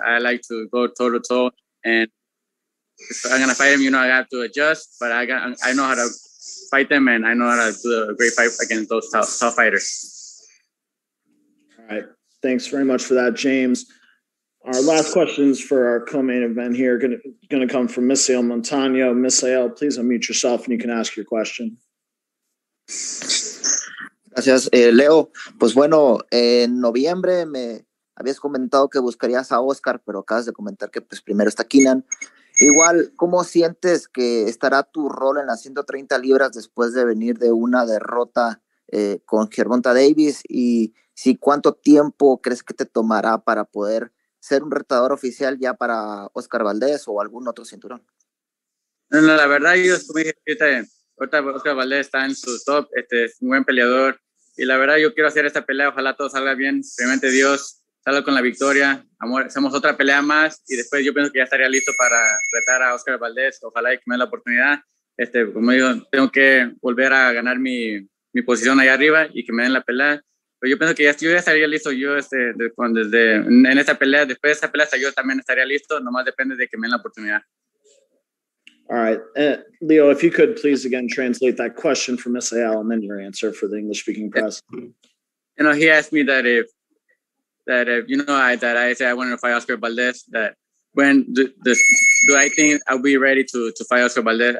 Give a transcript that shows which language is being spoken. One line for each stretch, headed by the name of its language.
English: I like to go toe-to-toe, and if I'm going to fight them, you know, I have to adjust, but I know how to fight them, and I know how to do a great fight against those tough fighters. All right. Thanks very much for that, James. Our last questions for our co-main event here are going to come from Misael Montano. Misael, please unmute yourself, and you can ask your question.
Spanish: Gracias, Leo. Pues bueno, en noviembre me habías comentado que buscarías a Oscar, pero acabas de comentar que pues primero está Keenan. Igual, ¿cómo sientes que estará tu rol en las 130 libras después de venir de una derrota con Gervonta Davis? Y si cuánto tiempo crees que te tomará para poder ser un retador oficial ya para Oscar Valdez o algún otro cinturón? No, la verdad, yo como dije, ahorita Oscar Valdez está en su top, es un buen peleador. Y la verdad, yo quiero hacer esta pelea, ojalá todo salga bien, primeramente Dios, salga con la victoria, amor, hacemos otra pelea más, y después yo pienso que ya estaría listo para retar a Oscar Valdez, ojalá que me dé la oportunidad. Como digo, tengo que volver a ganar mi posición ahí arriba y que me den la pelea. Pero yo pienso que ya estaría listo yo en esta pelea, después de esta pelea, yo también estaría listo, nomás depende de que me den la oportunidad.
English: All right. Leo, if you could please again translate that question for Miss Ayala and then your answer for the English-speaking press. You know, he asked me that I said I wanted to fight Oscar Valdez, that when do I think I'll be ready to fight Oscar Valdez?